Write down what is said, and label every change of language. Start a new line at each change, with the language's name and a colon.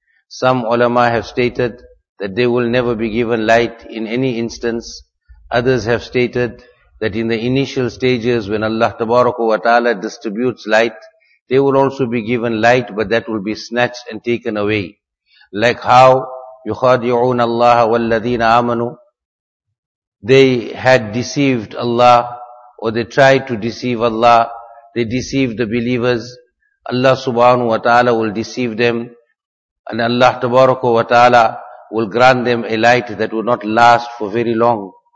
English: Some ulama have stated that they will never be given light in any instance. Others have stated that in the initial stages when Allah tabaraka wa ta'ala distributes light, they will also be given light, but that will be snatched and taken away. Like how
Arabic: يخادعون الله والذين آمنوا.
English: They had deceived Allah, or they tried to deceive Allah. They deceived the believers. Allah subhanahu wa ta'ala will deceive them, and Allah tabaraka wa ta'ala will grant them a light that will not last for very long.